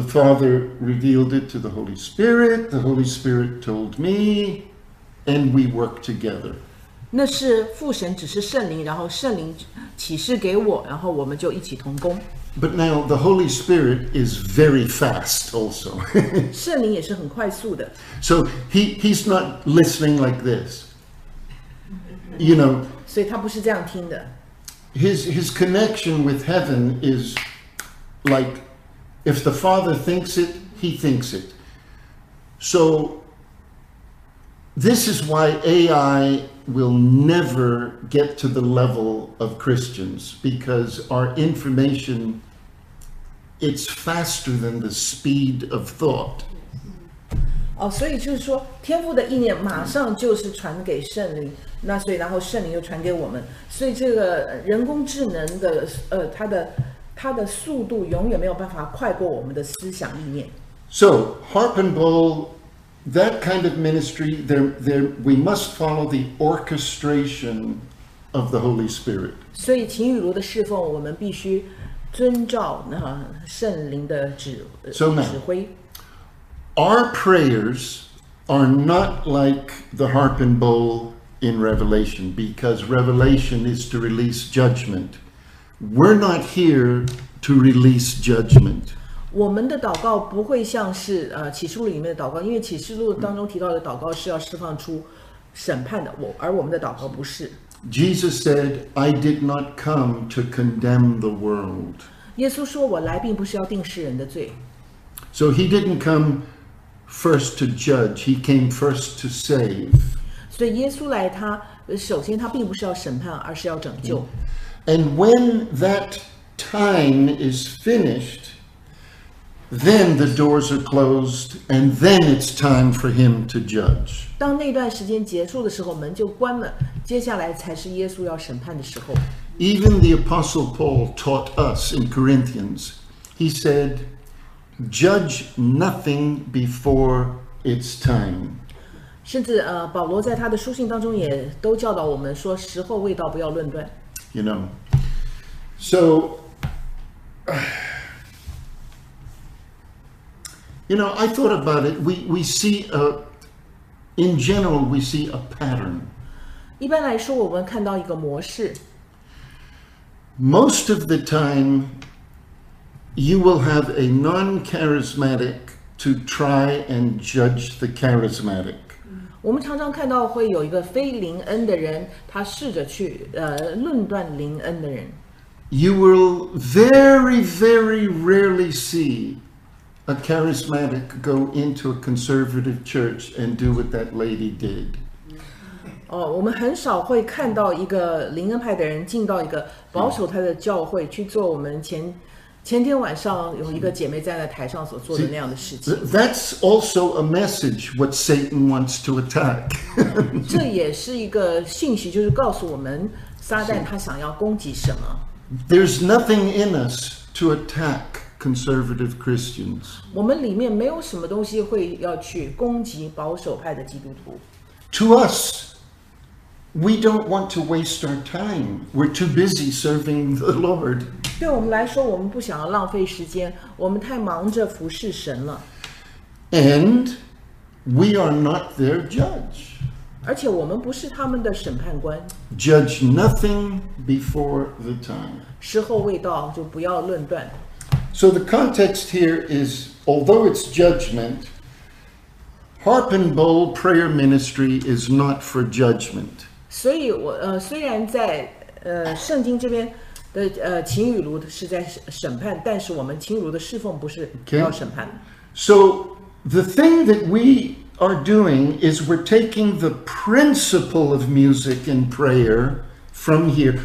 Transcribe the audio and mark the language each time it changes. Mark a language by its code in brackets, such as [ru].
[en] The Father revealed it to the Holy Spirit. The Holy Spirit told me, and we work together. [zh] 那是父神指示圣灵，然后圣灵启示给我，然后我们就一起同工。 [en] But now the Holy Spirit is very fast, also. [zh] 圣灵也是很快速的。 [en] So he's not listening like this. You know. [zh] 所以他不是这样听的。 [en] His connection with heaven is like. If the Father thinks it, he thinks it. So, this is why AI will never get to the level of Christians, because our information, it's faster than the speed of thought. [zh] 哦，所以就是说，天父的意念马上就是传给圣灵，那所以然后圣灵又传给我们，所以这个人工智能的它的速度永远没有办法快过我们的思想意念。 [en] So, Harpenbowl, that kind of ministry, there, we must follow the orchestration of the Holy Spirit. [zh] 所以秦雨茹的侍奉，我们必须遵照那圣灵的指挥。 [en] Our prayers are not like the Harpenbowl in Revelation, because Revelation is to release judgment. We're not here to release judgment. [zh] 我们的祷告不会像是启示录里面的祷告，因为启示录当中提到的祷告是要释放出审判的，而我们的祷告不是。 [en] Jesus said, "I did not come to condemn the world." [zh] 耶稣说，我来并不是要定世人的罪。 [en] So he didn't come first to judge. He came first to save. [zh] 所以耶稣来，他首先他并不是要审判，而是要拯救。 [en] And when that time is finished, then the doors are closed, and then it's time for him to judge. [zh] 当那段时间结束的时候，门就关了，接下来才是耶稣要审判的时候。 [en] Even the Apostle Paul taught us in Corinthians, he said, judge nothing before it's time. [zh] 甚至保罗在他的书信当中也都教导我们说，时候未到，不要论断。 [en] You know, so, you know, I thought about it. We see, in general, we see a pattern. [zh] 一般来说，我们看到一个模式。 [en] Most of the time, you will have a non-charismatic to try and judge the charismatic. [zh] 我们常常看到会有一个非灵恩的人，他试着去论断灵恩的人。 [en] You will very, very rarely see a charismatic go into a conservative church and do what that lady did. [zh] 哦，我们很少会看到一个灵恩派的人进到一个保守派的教会去做我们前天晚上有一个姐妹站在台上所做的那样的事情。 [en] See, that's also a message what Satan wants to attack. [zh] 这也是一个信息，就是告诉我们撒旦他想要攻击什么。 [en] There's nothing in us to attack conservative Christians. [zh] 我们里面没有什么东西会要去攻击保守派的基督徒。 [en] To us, we don't want to waste our time. We're too busy serving the Lord. [zh] 对我们来说，我们不想要浪费时间，我们太忙着服侍神了。 [en] And we are not their judge. [zh] 而且我们不是他们的审判官。 [en] Judge nothing before the time. [zh] 时候未到就不要论断。 [en] So the context here is, although it's judgment, harp and bowl prayer ministry is not for judgment. [zh] 所以我虽然在圣经这边的琴与炉是在审判，但是我们琴与炉的侍奉不是要审判的。 [en] Okay. So the thing that we are doing is we're taking the principle of music and prayer from here.